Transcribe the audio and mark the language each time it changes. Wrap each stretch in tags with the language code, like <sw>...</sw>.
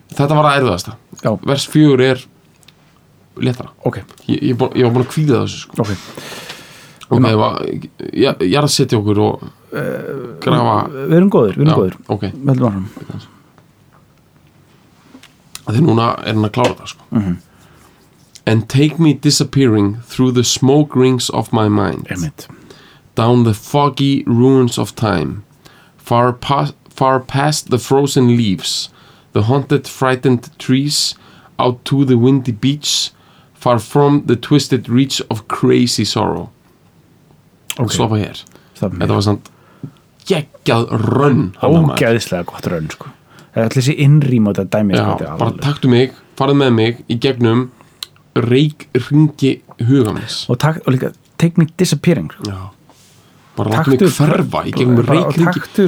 <is>Þetta var að erfiðast vers 4 er léttara okay. ég var búin að kvíða þessu sko. Okay. og það var ég er að setja okkur og grafa við erum góðir okay. meldum áfram Þegar núna er hann að klára það sko mm-hmm.</is> <en>And take me disappearing through the smoke rings of my mind. Emmett. Down the foggy ruins of time. Far past the frozen leaves. The haunted, frightened trees. Out to the windy beach. Far from the twisted reach of crazy sorrow. Okay.</en> <is>Stoppa hér. Þetta var samt geggjað runn. Ógeðislega gott runn, sko. Þetta er þessi innrým á þetta dæmi. Já, bara taktu mig, farðu með mig í gegnum. Reyk ringi hugamins og líka</is> <en>take me disappearing</en> <is>já. Bara láttu mig hverfa í gegnum reyk ringi</is>